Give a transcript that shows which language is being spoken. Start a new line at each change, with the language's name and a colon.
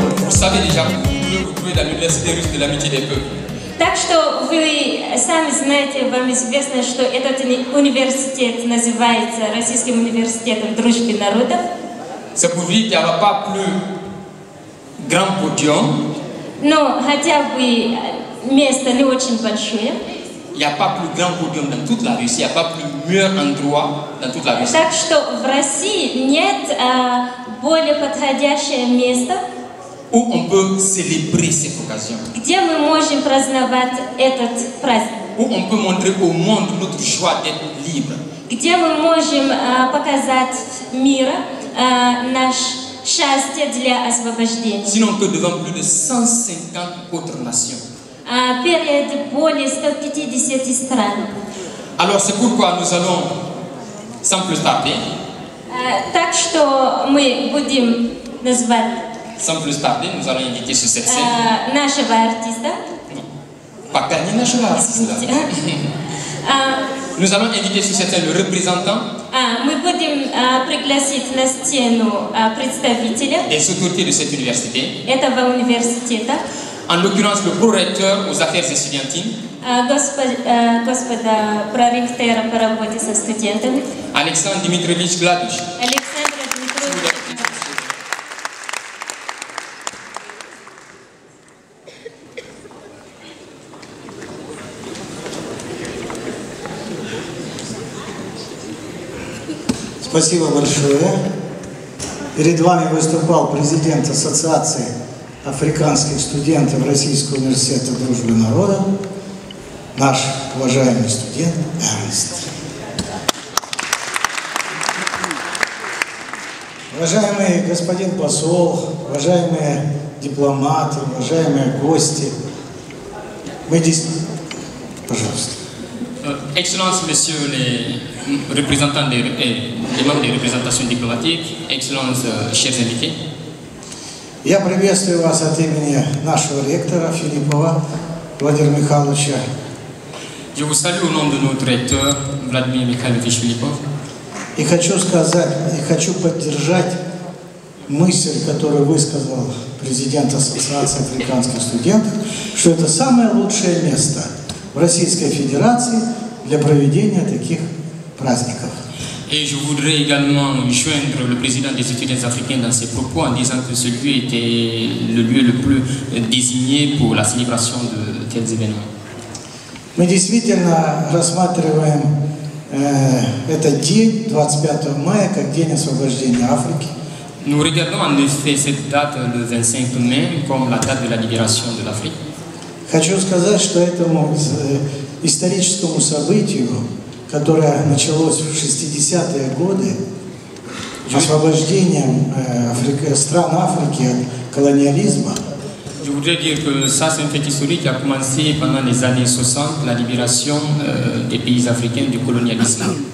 French: savez déjà, vous pouvez la l'université russe de l'amitié des peuples.
Russian: Так что вы сами знаете, вам известно, что этот университет называется Российским университетом дружбы народов.
French: C'est pour dire qu'il n'y aura pas plus grand podium.
Russian: Но хотя бы место не очень большое.
French: Il n'y a pas plus grand podium dans toute la Russie, il n'y a pas plus meilleur endroit dans toute la Russie.
Russian: Так что в России нет более подходящее место,
French: où on peut célébrer cette occasion.
Russian: Где мы можем праздновать этот праздник.
French: Où on peut montrer au monde notre joie d'être libre.
Russian: Где мы можем показать миру наш счастье для освобождения.
French: Sinon que devant plus de 150 autres nations.
Russian: Перед более 150 стран.
French: Alors c'est pourquoi nous allons sans plus tarder.
Russian: Так что мы будем называть.
French: Sans plus tarder, nous allons inviter sur cette scène.
Russian: Нашего артиста. Пакани нашего артиста.
French: Nous allons inviter sur cette scène le représentant.
Russian: Мы будем пригласить на сцену представителя.
French: Des autorités de cette université.
Russian: Этого университета.
French: En l'occurrence, le prorecteur aux affaires étudiantines.
Russian: Господа проректора по работе со студентами. Александр Дмитриевич Гладыш. Александр Дмитриевич. Спасибо большое. Перед вами выступал президент ассоциации африканских студентов Российского университета дружбы народа, наш уважаемый студент Эрнст. Уважаемый господин посол, уважаемые дипломаты, уважаемые гости, мы действительно... Пожалуйста.
French: Excellence, monsieur le représentant des membres des représentations diplomatiques, excellence, chers invités.
Russian: Я приветствую вас от имени нашего ректора Филиппова Владимира Михайловича.
French: Je vous salue au nom de notre recteur Vladimir Mikhailovich Filipov.
Russian: И хочу сказать, и хочу поддержать мысль, которую высказал президент Ассоциации африканских студентов, что это самое лучшее место в Российской Федерации для проведения таких праздников.
French: Et je voudrais également joindre le président des étudiants africains dans ses propos en disant que ce lieu était le lieu le plus désigné pour la célébration de tels événements.
Russian: Мы действительно рассматриваем этот день, 25 мая, как день освобождения Африки.
French: Nous regardons en effet cette date, le 25 mai, comme la date de la libération de l'Afrique.
Russian: Хочу сказать, что этому историческому событию, которое началось в 60-е годы освобождением стран Африки от колониализма.
French: Je voudrais dire que ça c'est un fait historique qui a commencé pendant les années 60, la libération des pays africains du colonialisme.